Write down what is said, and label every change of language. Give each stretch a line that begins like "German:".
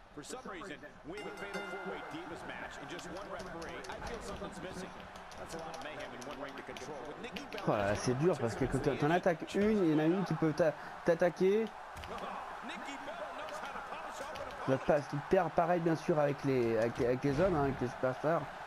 English: For some reason, we have a fatal four-way Divas match in just one referee. I feel something's missing. That's a lot of mayhem in one ring to control. With Nikki Bella.
French: Voilà, c'est dur parce que quand t'en attaques une, il y en a une qui peut t'attaquer.
English: Nikki Bella knows how to polish off an opponent.
French: Tu perds pareil bien sûr avec les hommes, hein, avec les superstars.